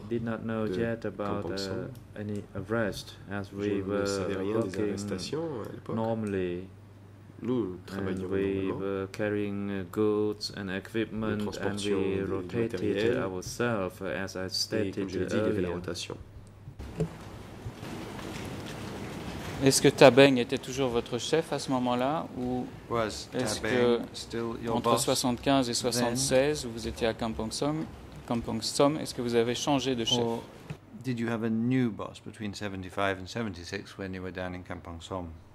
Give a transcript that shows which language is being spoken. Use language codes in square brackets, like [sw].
[en] I did not know yet about any arrest, as we were working normally. [fr] Nous [en] and we were carrying goods and equipment, and we rotated ourselves, as I stated earlier. [fr] Est-ce que Tabeng était toujours votre chef à ce moment-là, ou est-ce que entre 75 et 76, [en] then, [fr] vous étiez à Kampong Som, est-ce que vous avez changé de chef? [en] Or did you have a new boss between 75 and 76 when you were down in Kampong Som?